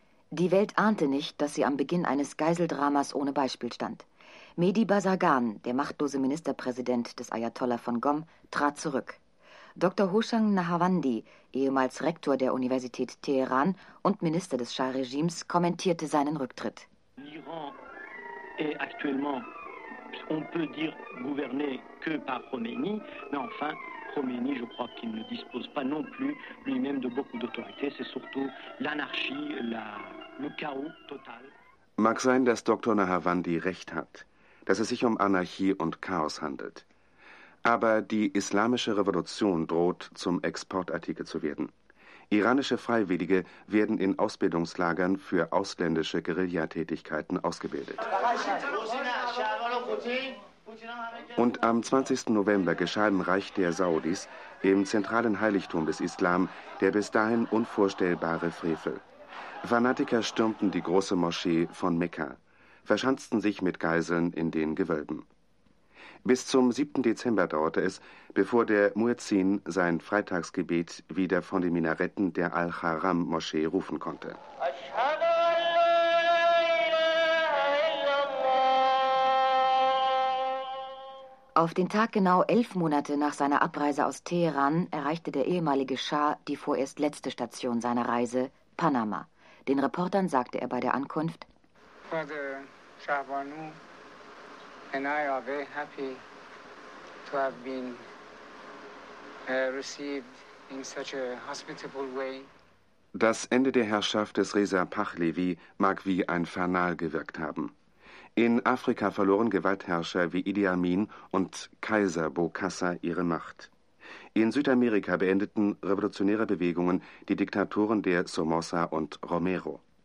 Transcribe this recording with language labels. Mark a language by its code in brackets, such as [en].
[de] Die Welt ahnte nicht, dass sie am Beginn eines Geiseldramas ohne Beispiel stand. Mehdi Bazargan, der machtlose Ministerpräsident des Ayatollah von Qom, trat zurück. Dr. Hoshang Nahavandi, ehemals Rektor der Universität Teheran und Minister des Schah-Regimes, kommentierte seinen Rücktritt. [fr] L'Iran est actuellement, on peut dire, gouverné que par Khomeini, mais enfin, Khomeini, je crois qu'il ne dispose pas non plus lui-même de beaucoup d'autorité, c'est surtout l'anarchie, le chaos total. [de] Mag sein, dass Dr. Nahavandi recht hat, dass es sich um Anarchie und Chaos handelt. Aber die islamische Revolution droht, zum Exportartikel zu werden. Iranische Freiwillige werden in Ausbildungslagern für ausländische Guerillatätigkeiten ausgebildet. Und am 20. November geschah im Reich der Saudis, im zentralen Heiligtum des Islam, der bis dahin unvorstellbare Frevel. Fanatiker stürmten die große Moschee von Mekka, verschanzten sich mit Geiseln in den Gewölben. Bis zum 7. Dezember dauerte es, bevor der Muezzin sein Freitagsgebet wieder von den Minaretten der Al-Haram-Moschee rufen konnte. Auf den Tag genau 11 Monate nach seiner Abreise aus Teheran erreichte der ehemalige Schah die vorerst letzte Station seiner Reise, Panama. Den Reportern sagte er bei der Ankunft: [en] Father Shahbanu and I are very happy to have been received in such a hospitable way. [de] Das Ende der Herrschaft des Reza Pahlavi mag wie ein Fanal gewirkt haben. In Afrika verloren Gewaltherrscher wie Idi Amin und Kaiser Bokassa ihre Macht. In Südamerika beendeten revolutionäre Bewegungen die Diktaturen der Somoza und Romero.